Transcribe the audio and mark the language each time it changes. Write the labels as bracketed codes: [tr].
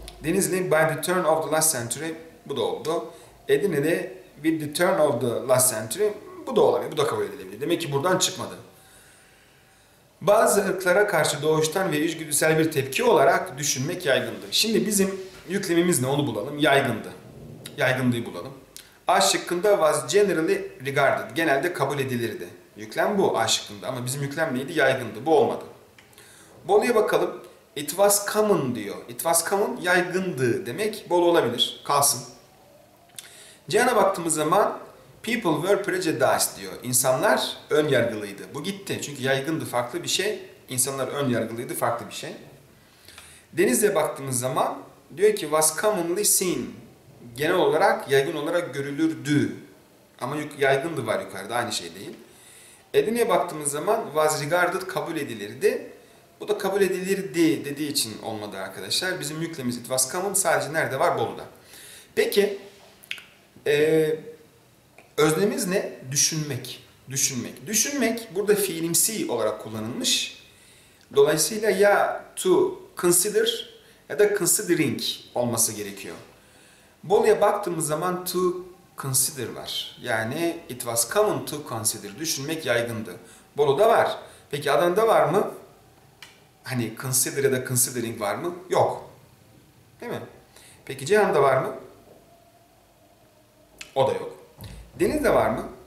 [tr] Denizli [en] by the turn of the last century [tr] bu da oldu. Edirne'de [en] with the turn of the last century [tr] bu da olabilir. Bu da kabul edilebilir. Demek ki buradan çıkmadı. Bazı ırklara karşı doğuştan ve içgüdüsel bir tepki olarak düşünmek yaygındı. Şimdi bizim yüklemimiz ne onu bulalım. Yaygındı. Yaygındı'yı bulalım. A şıkkında [en] was generally regarded. [tr] Genelde kabul edilirdi. Yüklem bu A şıkkında ama bizim yüklem neydi? Yaygındı. Bu olmadı. Bolu'ya bakalım. [en] It was common [tr] diyor. [en] It was common [tr] yaygındı demek. Bolu olabilir. Kalsın. Ceyhan'a baktığımız zaman [en] people were prejudiced [tr] diyor. İnsanlar ön yargılıydı. Bu gitti. Çünkü yaygındı farklı bir şey. İnsanlar ön yargılıydı farklı bir şey. Deniz'e baktığımız zaman diyor ki [en] was commonly seen. [tr] Genel olarak yaygın olarak görülürdü. Ama yaygındı var yukarıda. Aynı şey değil. Edirne'ye baktığımız zaman [en] was regarded [tr] kabul edilirdi. Bu da kabul edilirdi dediği için olmadı arkadaşlar. Bizim yüklemimiz [en] it was common [tr] sadece nerede var? Bolu'da. Peki öznemiz ne? Düşünmek. Düşünmek. Düşünmek burada fiilimsi olarak kullanılmış. Dolayısıyla ya [en] to consider [tr] ya da considering olması gerekiyor. Bolu'ya baktığımız zaman [en] to consider [tr] var. Yani [en] it was common to consider. [tr] Düşünmek yaygındı. Bolu'da var. Peki Adana'da var mı? Hani consider ya da considering var mı? Yok. Değil mi? Peki Ceyhan'da var mı? O da yok. Deniz'de var mı?